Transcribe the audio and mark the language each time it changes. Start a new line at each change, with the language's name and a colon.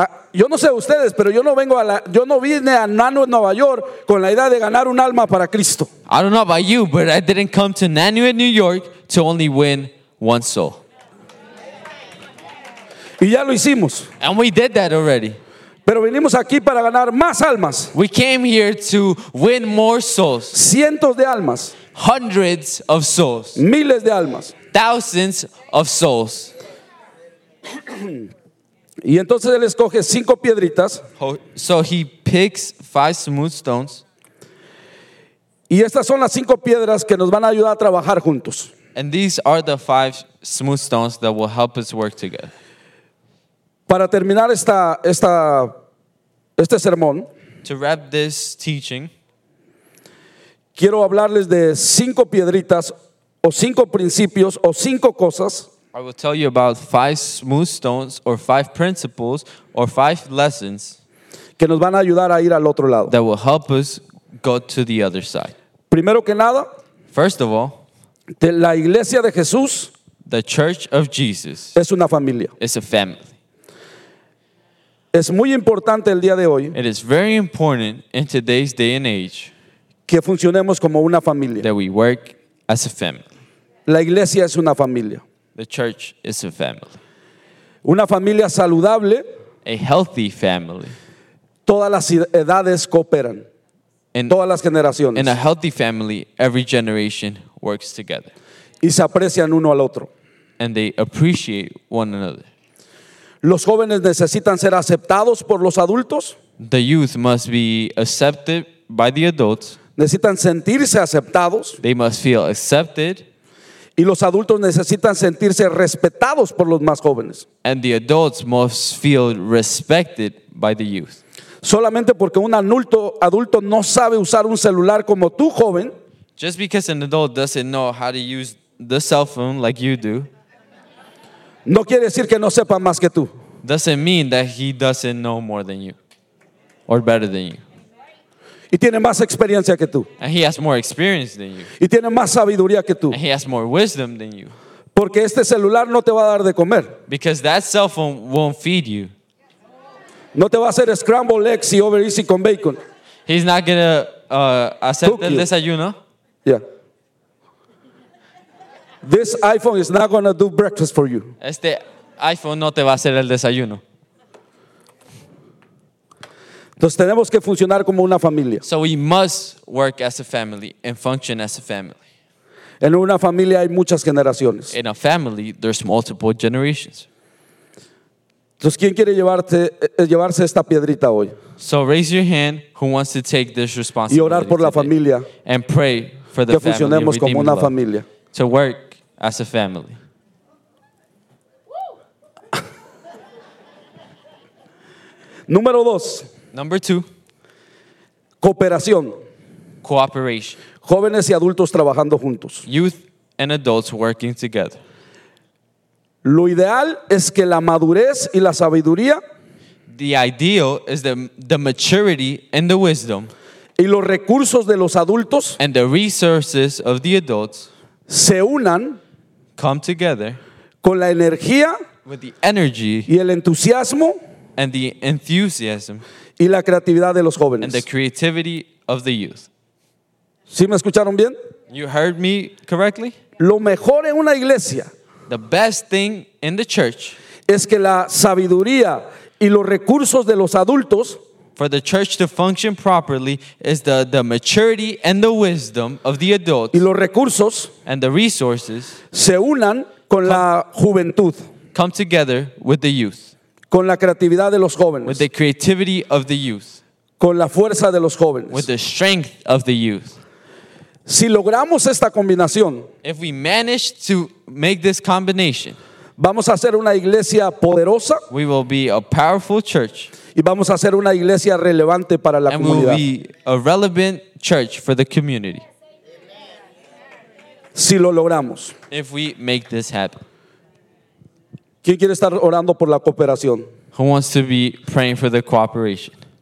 Spanish: Yo no sé ustedes, pero yo no vine a Nanuet, Nueva York, con la idea de ganar un alma para Cristo.
English: I don't know about you, but I didn't come to Nanuet, New York, to only win one soul.
Spanish: Y ya lo hicimos.
English: And we did that already.
Spanish: Pero venimos aquí para ganar más almas.
English: We came here to win more souls.
Spanish: Cientos de almas.
English: Hundreds of souls.
Spanish: Miles de almas.
English: Thousands of souls.
Spanish: Y entonces él escoge cinco piedritas.
English: So he picks five smooth stones.
Spanish: Y estas son las cinco piedras que nos van a ayudar a trabajar juntos.
English: And these are the five smooth stones that will help us work together.
Spanish: Para terminar este sermón.
English: To wrap this teaching.
Spanish: Quiero hablarles de cinco piedritas o cinco principios o cinco cosas.
English: I will tell you about five smooth stones or five principles or five lessons
Spanish: que nos van a ayudar a ir al otro lado.
English: That will help us go to the other side.
Spanish: Primero que nada,
English: first of all,
Spanish: la iglesia de Jesús,
English: the church of Jesus,
Spanish: es una familia.
English: It's a family.
Spanish: Es muy importante el día de hoy.
English: It is very important in today's day and age
Spanish: que funcionemos como una familia.
English: That we work as a family.
Spanish: La iglesia es una familia.
English: The church is a family.
Spanish: Una familia saludable.
English: A healthy family.
Spanish: Todas las edades cooperan. Todas las generaciones.
English: In a healthy family, every generation works together.
Spanish: Y se aprecian uno al otro.
English: And they appreciate one another.
Spanish: Los jóvenes necesitan ser aceptados por los adultos.
English: The youth must be accepted by the adults.
Spanish: Necesitan sentirse aceptados.
English: They must feel accepted.
Spanish: Y los adultos necesitan sentirse respetados por los más jóvenes.
English: And the adults must feel respected by the youth.
Spanish: Solamente porque un adulto no sabe usar un celular como tú, joven.
English: Just because an adult doesn't know how to use the cell phone like you do.
Spanish: No quiere decir que no sepa más que tú.
English: Doesn't mean that he doesn't know more than you. Or better than you.
Spanish: Y tiene más experiencia que tú.
English: And he has more experience than you.
Spanish: Y tiene más sabiduría que tú.
English: And he has more wisdom than you.
Spanish: Porque este celular no te va a dar de comer.
English: Because that cell phone won't feed you.
Spanish: No te va a hacer
English: scrambled eggs
Spanish: y
English: over easy
Spanish: con bacon.
English: He's not gonna accept
Spanish: el desayuno.
English: Yeah. This iPhone is not gonna do breakfast for you.
Spanish: Este iPhone no te va a hacer el desayuno. Entonces tenemos que funcionar como una familia.
English: So we must work as a family and function as a family.
Spanish: En una familia hay muchas generaciones.
English: In a family, there's multiple generations.
Spanish: Entonces, ¿quién quiere llevarse esta piedrita hoy?
English: So raise your hand who wants to take this responsibility.
Spanish: Y orar por la familia.
English: And pray for the family.
Spanish: Que funcionemos como una familia.
English: To work as a family.
Spanish: Número dos.
English: Number two,
Spanish: cooperación.
English: Cooperation.
Spanish: Jóvenes y adultos trabajando juntos.
English: Youth and adults working together.
Spanish: Lo ideal es que la madurez y la sabiduría.
English: The ideal is the maturity and the wisdom.
Spanish: Y los recursos de los adultos.
English: And the resources of the adults.
Spanish: se unan,
English: come together,
Spanish: con la energía,
English: with the energy,
Spanish: y el entusiasmo,
English: and the enthusiasm,
Spanish: y la creatividad de los jóvenes,
English: and the creativity of the youth.
Spanish: ¿Sí me escucharon bien?
English: You heard me correctly?
Spanish: Lo mejor en una iglesia,
English: the best thing in the church,
Spanish: es que la sabiduría y los recursos de los adultos,
English: for the church to function properly, is the maturity and the wisdom of the adults,
Spanish: y los recursos,
English: and the resources,
Spanish: se unan con la juventud,
English: come together with the youth,
Spanish: con la creatividad de los jóvenes,
English: with the creativity of the youth,
Spanish: con la fuerza de los jóvenes,
English: with the strength of the youth.
Spanish: Si logramos esta combinación,
English: if we manage to make this combination,
Spanish: vamos a ser una iglesia poderosa,
English: we will be a powerful church,
Spanish: y vamos a ser una iglesia relevante para la
English: and
Spanish: comunidad,
English: and we will be a relevant church for the community.
Spanish: Si lo logramos,
English: if we make this happen.
Spanish: ¿Quién quiere estar orando por la cooperación?
English: Who wants to be praying for the cooperation?